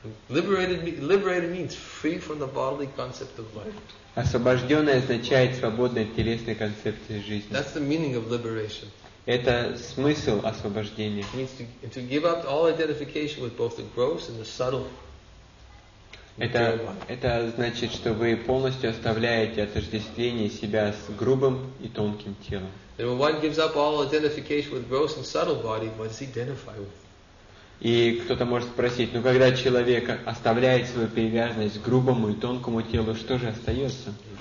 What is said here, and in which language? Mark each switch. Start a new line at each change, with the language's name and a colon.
English: Liberated means free from the bodily concept of life.
Russian: Освобожденное означает свободное от телесной концепции жизни.
English: That's the meaning of liberation.
Russian: Это смысл освобождения.
English: It means to give up all identification with both the gross and the subtle.
Russian: Это значит, что вы полностью оставляете отождествление себя с грубым и тонким телом.
English: And when one gives up all identification with gross and subtle body, what does he identify with?
Russian: И кто-то может спросить, ну когда человек оставляет свою привязанность к грубому и тонкому телу, что же остается?